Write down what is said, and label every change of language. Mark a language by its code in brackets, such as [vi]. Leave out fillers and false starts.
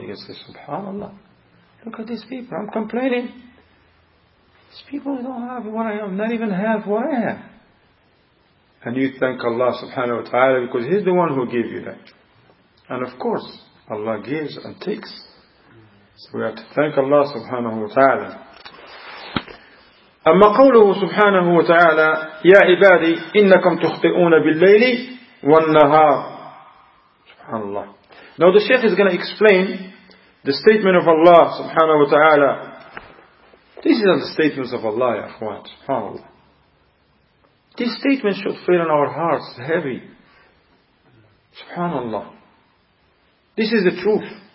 [en] You're going to say, subhanAllah. Look at these people. I'm complaining. These people don't have what I have. Not even have what I have. And you thank Allah subhanahu wa ta'ala because He's the one who gave you that. And of course, Allah gives and takes. So we have to thank Allah subhanahu wa ta'ala. [ar] أما قوله سبحانه وتعالى يا عبادي إنكم تخطئون بالليل والنهار. Subhanallah. [en] Now the Shaykh is going to explain the statement of Allah subhanahu wa ta'ala. This is not the statements of Allah, [ar] ya akhwan, [en] subhanAllah. This statement should fill in our hearts heavy. SubhanAllah. This is the truth.